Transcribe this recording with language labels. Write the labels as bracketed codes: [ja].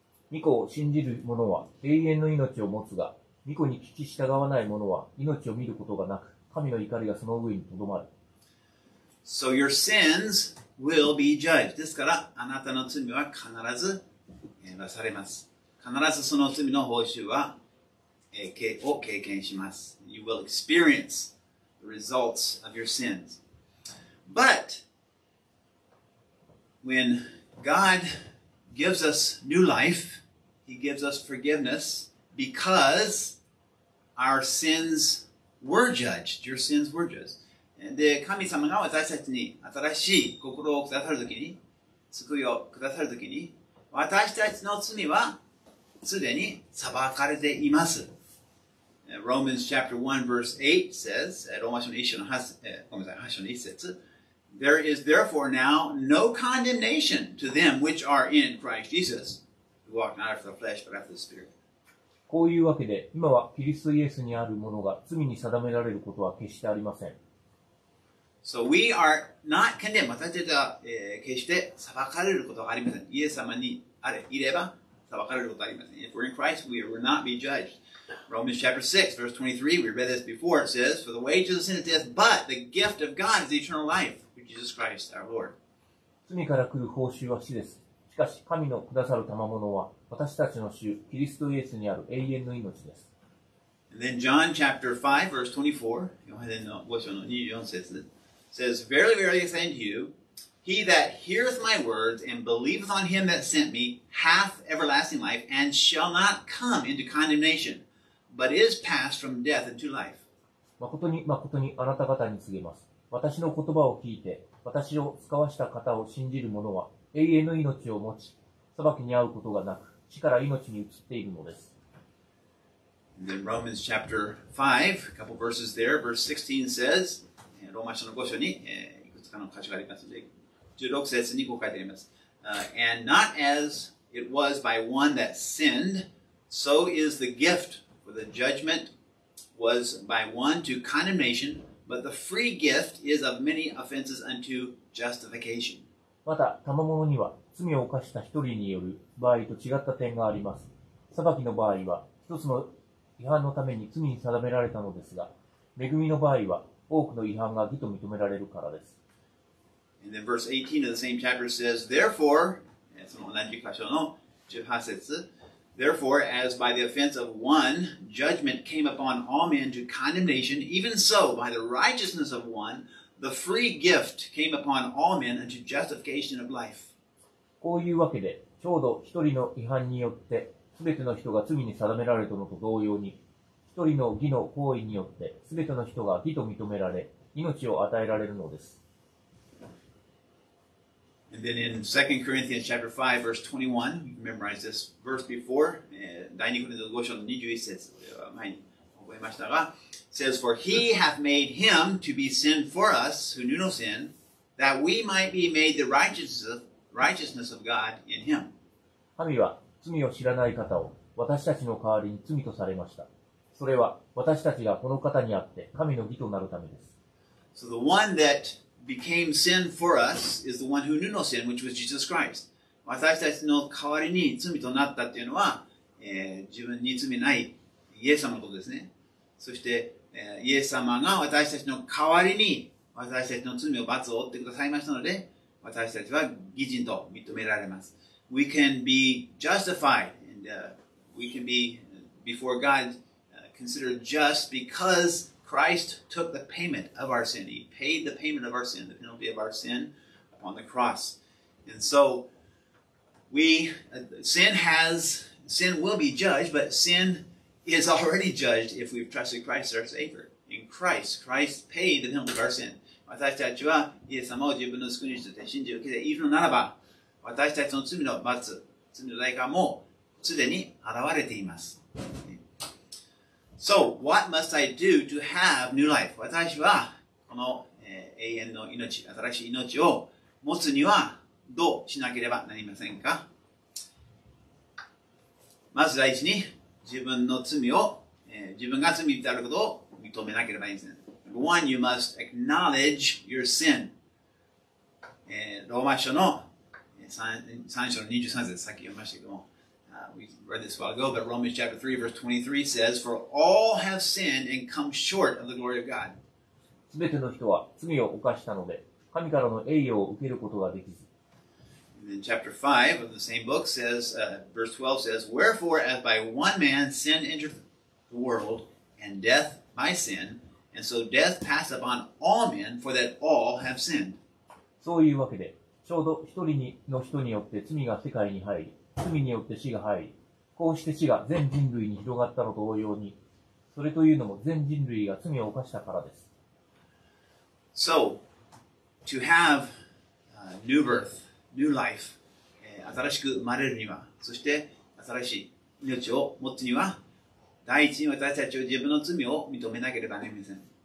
[ja] 御子を信じる者は永遠の命を持つが、御子に聞き従わない者は命を見ることがなく、神の怒りがその上にとどまる。 [en] So your sins will be judged. [ja] ですから、あなたの罪は必ずされます。必ずその罪の報酬は、を経験します。 [en] You will experience the results of your sins. But, when God gives us new life, He gives us forgiveness because our sins were judged. Your sins were judged. [ja] で、神様が私たちに新しい心をくださるときに、救いをくださるときに、私たちの罪はすでに裁かれています。 [en] Romans chapter 1 verse 8 says, Romans 8節 There is therefore now no condemnation to them which are in Christ Jesus, who walk not after the flesh but after the Spirit. [ja] こういうわけで、今はキリストイエスにあるものが罪に定められることは決してありません。 [en] So we are not condemned. [ja] 私たちは、決して裁かれることはありません。イエス様にあれ、いれば裁かれることはありません。 [en] If we're in Christ, we will not be judged. Romans chapter 6, verse 23, we read this before, it says, For the wages of sin is death, but the gift of God is eternal life, through Jesus Christ, our Lord. [ja] 罪から来る報酬は死です。しかし、神のくださる賜物は、私たちの主、キリストイエスにある永遠の命です。 [en] And then John chapter 5, verse 24, [ja] ヨハネの5章の24節です。 [en] Says, Verily, verily, I say unto you, He that heareth my words and believeth on him that sent me hath everlasting life and shall not come into condemnation, but is passed from death into life. [ja] 誠に誠にあなた方に告げます。私の言葉を聞いて、私を使わした方を信じる者は永遠の命を持ち、裁きに遭うことがなく、死から命に移っているのです。 [en] And then Romans chapter 5, a couple verses there, verse 16 says, [ja] ローマ書の5章に、いくつかの箇所がありますので、16節にこう書いてあります。 [en] And not as it was by one that sinned, so is the gift, for the judgment was by one to condemnation, but the free gift is of many offenses unto justification. [ja] また、賜物には罪を犯した一人による場合と違った点があります。裁きの場合は、一つの違反のために罪に定められたのですが、恵みの場合は、多くの違反が義と認められるからです。 [en] And then verse 18 of the same chapter says, Therefore, [ja] その同じ箇所の18節、 [en] Therefore, as by the offense of one, judgment came upon all men to condemnation, even so, by the righteousness of one, the free gift came upon all men unto justification of life. [ja] こういうわけで、ちょうど一人の違反によって、すべての人が罪に定められたのと同様に、一人の義の行為によって、すべての人が義と認められ、命を与えられるのです。 [en] And then in 2 Corinthians chapter 5, verse 21, you memorize this verse before, [ja] 第2コリント5章の21節、前に覚えましたが、 [en] says, For he hath made him to be sin for us, who knew no sin, that we might be made the righteousness of God in him. [ja] 神は罪を知らない方を私たちの代わりに罪とされました。それは私たちがこの方にあって神の義となるためです。 [en] So the one that became sin for us is the one who knew no sin, which was Jesus Christ. [ja] 私たちの代わりに罪となったっていうのは、自分に罪ないイエス様のことですね。そして、イエス様が私たちの代わりに私たちの罪を罰を負ってくださいましたので、私たちは義人と認められます。 [en] We can be justified and we can be before God considered just because Christ took the payment of our sin. He paid the payment of our sin, the penalty of our sin upon the cross. And so sin will be judged, but sin is already judged if we've trusted Christ as our Savior. In Christ, Christ paid the penalty of our sin. [ja] 私たちはイエス様を自分の救い主として信じ受けているのならば、私たちの罪の罰、罪の代価もすでに現れています。 [en] So, what must I do to have new life? [ja] 私はこの永遠の命、新しい命を持つにはどうしなければなりませんか？まず第一に、自分の罪を、自分が罪であることを認めなければいけません。 [en] One, you must acknowledge your sin. [ja] ローマ書の3章の23節、さっき読みましたけども、 [en] we read this a while ago, but Romans chapter 3, verse 23 says, For all have sinned and come short of the glory of God. [ja] 全ての人は罪を犯したので、神からの栄誉を受けることができず。 [en] And then chapter 5 of the same book says, verse 12 says, Wherefore, as by one man sin entered the world, and death by sin, and so death passed upon all men, for that all have sinned. [ja] そういうわけで、ちょうど一人の人によって罪が世界に入り、罪によって死が入り、こうして死が全人類に広がったのと同様に、それというのも全人類が罪を犯したからです。 [en] So, to have new birth, new life, [ja] 新しく生まれるには、そして新しい命を持つには、第一に私たちは自分の罪を認めなければなりません。